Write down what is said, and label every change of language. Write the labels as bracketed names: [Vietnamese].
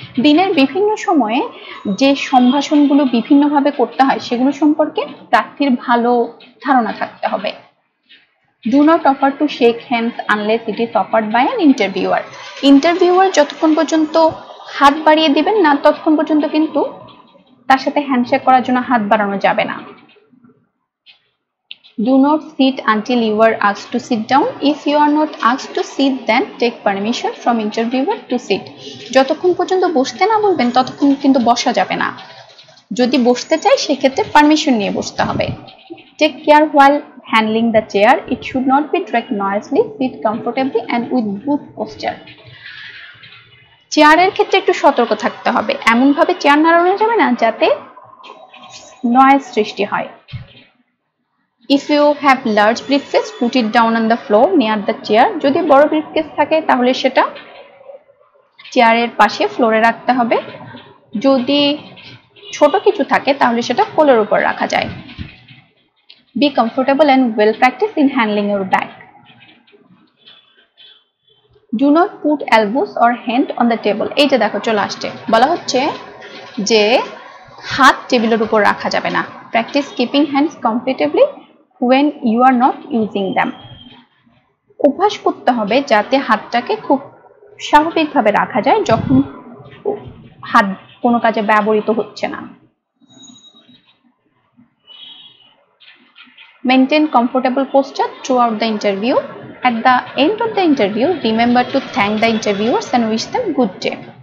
[Bangla] দিনের বিভিন্ন সময়ে যে সম্ভাষণগুলো বিভিন্নভাবে করতে হয় সেগুলো সম্পর্কে প্রার্থীর ভালো ধারণা থাকতে হবে। [English] Do not offer to shake hands unless it is offered by an interviewer. [Bangla] Interviewer যতক্ষণ পর্যন্ত হাত বাড়িয়ে দিবেন না ততক্ষণ পর্যন্ত কিন্তু তার সাথে হ্যান্ডশেক করার জন্য হাত বাড়ানো যাবে না। [English] Do not sit until you are asked to sit down. If you are not asked to sit, then take permission from interviewer to sit. [Bangla] যতক্ষণ পর্যন্ত বসতে না বলবেন ততক্ষণ কিন্তু বসা যাবে না, যদি বসতে চাই সেক্ষেত্রে পারমিশন নিয়ে বসতে হবে। [English] Take care while handling the chair. It should not be dragged noisily. Sit comfortably and with good posture. [Bangla] চেয়ারের ক্ষেত্রে একটু সতর্ক থাকতে হবে, এমনভাবে চেয়ার নাড়ানো যাবে না যাতে নয়েজ সৃষ্টি হয়। [English] If you have large briefcase, put it down on the floor near the chair. [Bangla] যদি বড় ব্রিফকেস থাকে তাহলে সেটা চেয়ারের পাশে ফ্লোরে রাখতে হবে, যদি ছোট কিছু থাকে তাহলে সেটা কোলের উপর রাখা যায়। [English] Be comfortable and well practiced in handling your bag. Do not put elbows or hand on the table. [Bangla] এই যে দেখো চলে আসছে, বলা হচ্ছে যে হাত টেবিলের উপর রাখা যাবে না। [English] Practice keeping hands comfortably when you are not using them. [Bangla] অভ্যাস করতে হবে যাতে হাতটাকে খুব স্বাভাবিকভাবে রাখা যায় যখন হাত কোনো কাজে ব্যবহৃত হচ্ছে না। [English] Maintain comfortable posture throughout the interview. At the end of the interview, remember to thank the interviewers and wish them good day.